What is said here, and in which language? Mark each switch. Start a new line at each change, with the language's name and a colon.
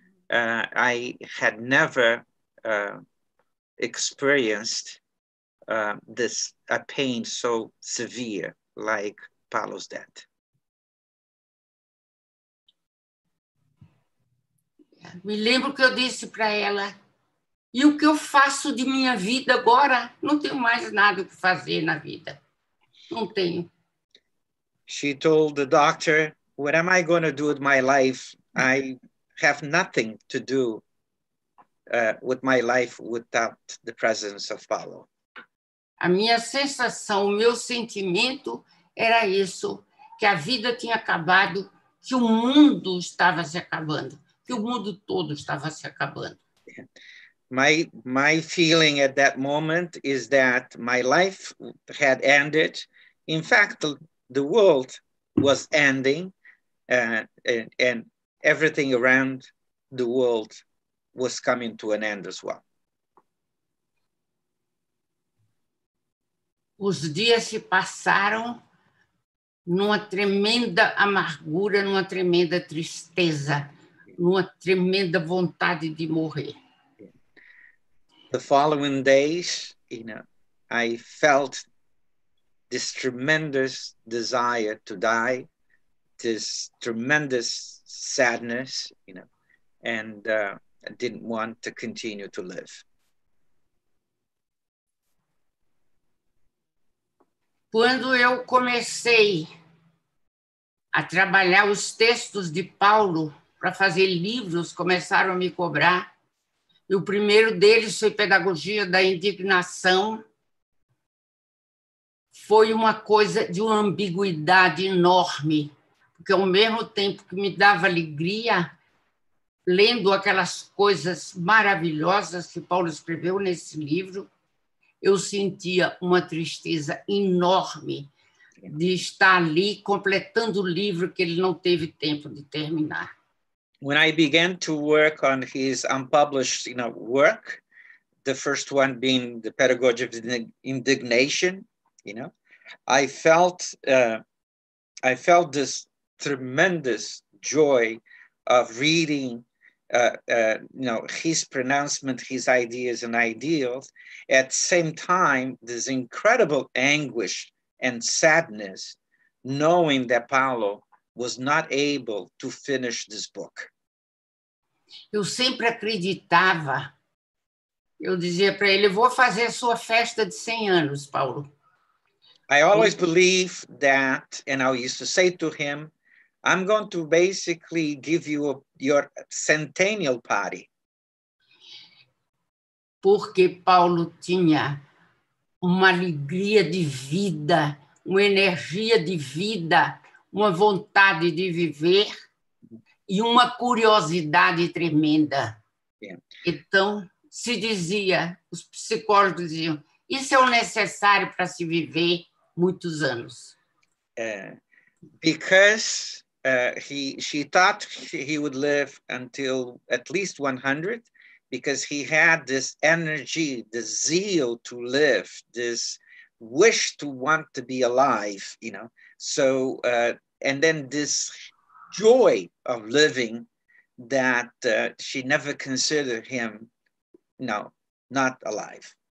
English: I had never experienced a pain so severe like Paulo's death.
Portuguese: Me lembro que eu disse para ela, e o que eu faço de minha vida agora? Não tenho mais nada que fazer na vida. Não tenho.
English: She told the doctor, what am I going to do with my life? I have nothing to do with my life without the presence of Paulo.
Portuguese: A minha sensação, o meu sentimento era isso, que a vida tinha acabado, que o mundo estava se acabando, que o mundo todo estava se acabando.
English: My feeling at that moment is that my life had ended. In fact, the world was ending and everything around the world was coming to an end as well.
Portuguese: Os dias se passaram numa tremenda amargura, numa tremenda tristeza, numa tremenda vontade de morrer.
English: The following days, you know, I felt this tremendous desire to die, this tremendous sadness, you know, and I didn't want to continue to live.
Portuguese: Quando eu comecei a trabalhar os textos de Paulo para fazer livros, começaram a me cobrar, e o primeiro deles foi Pedagogia da Indignação. Foi uma coisa de uma ambiguidade enorme, porque ao mesmo tempo que me dava alegria, lendo aquelas coisas maravilhosas que Paulo escreveu nesse livro, eu sentia uma tristeza enorme de estar ali completando o livro que ele não teve tempo de terminar.
English: When I began to work on his unpublished, you know, work, the first one being the Pedagogy of Indignation, you know, I felt this tremendous joy of reading, you know, his pronouncement, his ideas and ideals. At the same time, this incredible anguish and sadness, knowing that Paulo was not able to finish this book.
Portuguese: Eu sempre acreditava. Eu dizia para ele, vou fazer a sua festa de 100 anos, Paulo.
English: I always believe that, and I used to say to him, I'm going to basically give you your centennial party.
Portuguese: Porque Paulo tinha uma alegria de vida, uma energia de vida, uma vontade de viver e uma curiosidade tremenda.
English: Yeah.
Portuguese: Então, se dizia, os psicólogos diziam, isso é o necessário para se viver muitos anos.
English: Because she thought he would live until at least 100, because he had this energy, this zeal to live, this wish to want to be alive, you know. So, and then this joy of living that she never considered him, no, not alive.